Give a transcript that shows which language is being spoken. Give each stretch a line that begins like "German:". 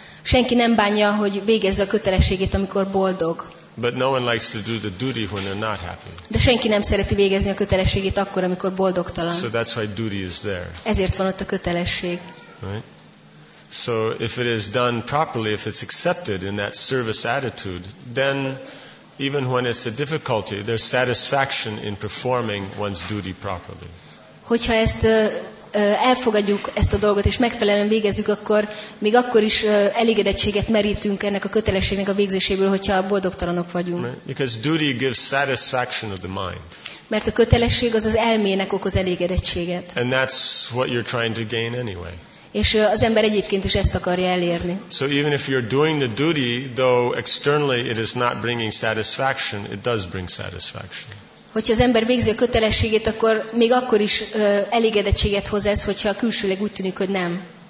Hungarian: Senki nem bánja, hogy végezze a kötelességét, amikor boldog.
English: But no one likes to do the duty when they're not happy.
Hungarian: De senki nem szereti végezni a kötelességét akkor, amikor boldogtalan.
English: So that's why duty is there.
Hungarian: Ezért van ott a kötelesség.
English: Right? So if it is done properly, if it's accepted in that service attitude, then even when it's a difficulty, there's satisfaction in performing one's duty properly.
Hungarian: Hogyha ezt elfogadjuk ezt a dolgot és megfelelően végezzük, akkor még akkor is elégedettséget merítünk ennek a kötelességnek a végzéséből, hogyha boldogtalanok vagyunk.
English: Because duty gives satisfaction of the mind.
Hungarian: Mert a kötelesség az elmének okoz elégedettséget.
English: And that's what you're trying to gain anyway.
Hungarian: És az ember egyébként is ezt akarja elérni.
English: So even if you're doing the duty, though externally it is not bringing satisfaction, it does bring satisfaction.
Hungarian: Hogyha az ember végzi a kötelességét, akkor még akkor is elégedettséget hoz ez, hogyha külsőleg úgy tűnik, hogy nem.